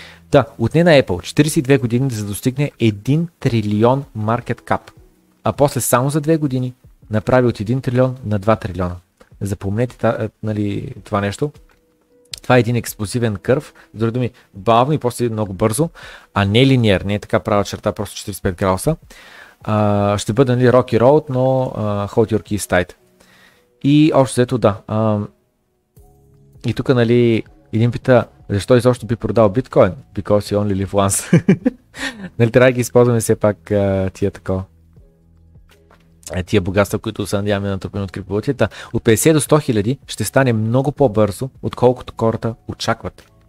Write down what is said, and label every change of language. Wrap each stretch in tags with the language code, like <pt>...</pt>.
<bg>Да, отне на Apple 42 години за да достигне 1 трилион market cap. А после само за 2 години направи от 1 трилион на 2 трилиона. Запомнете нали, това нещо. Това е един експлозивен кърв. С други думи, бавно и после много бързо. А не линиер, не е така права черта, просто 45 градуса. Ще бъде, нали,</bg> <en>rocky road,</en> <bg>но</bg> <en>hold your keys tight.</en> <bg>И общо взето, да. И тук, нали, един пита, защо изобщо би продал биткоин?</bg> <en>Because you only live once.</en> <bg>Нали, трябва да ги използваме все пак тия такова. Тия богатства, които се надяваме на трупени от криптовалутите, от 50 до 100 хиляди ще стане много по-бързо, отколкото хората очакват.</bg>